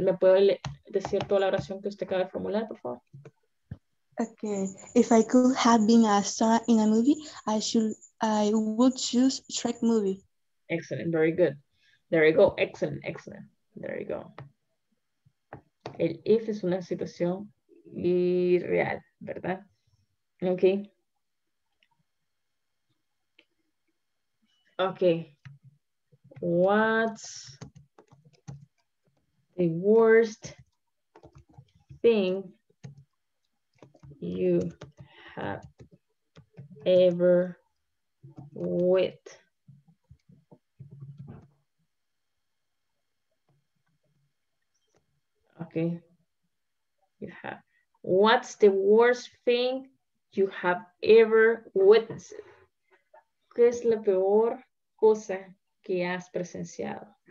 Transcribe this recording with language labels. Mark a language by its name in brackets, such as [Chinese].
[Spanish] ¿Me puede decir toda la oración que usted acaba de formular, por favor? [English] Okay, if I could have been a star in a movie, I would choose Shrek movie. Excellent, very good. There you go, excellent. There you go. [Spanish] El if es una situación irreal, ¿verdad? Okay. [English] Okay, what's the worst thing you have ever wit? Mm-hmm. Okay. You have. What's the worst thing you have ever witnessed? [Spanish] ¿Qué es la peor cosa que has presenciado?